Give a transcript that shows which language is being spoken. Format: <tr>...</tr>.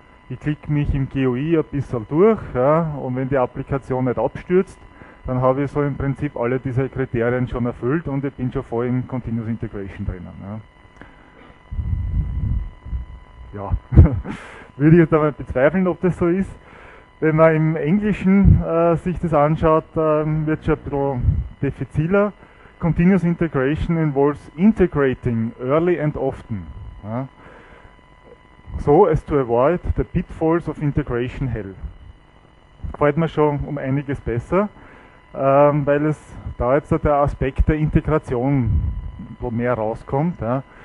<de>Ich klicke mich im GUI ein bisschen durch, ja, und wenn die Applikation nicht abstürzt, dann habe ich so im Prinzip alle diese Kriterien schon erfüllt und ich bin schon voll in Continuous Integration drinnen. Ja, würde ich dabei bezweifeln, ob das so ist. Wenn man im Englischen sich das anschaut, wird es schon ein bisschen defiziler.</de> <en>Continuous Integration involves integrating early and often. Ja. So as to avoid the pitfalls of integration hell.</en> <de>Gefällt mir schon um einiges besser, weil es da jetzt der Aspekt der Integration wo mehr rauskommt. Ja.</de>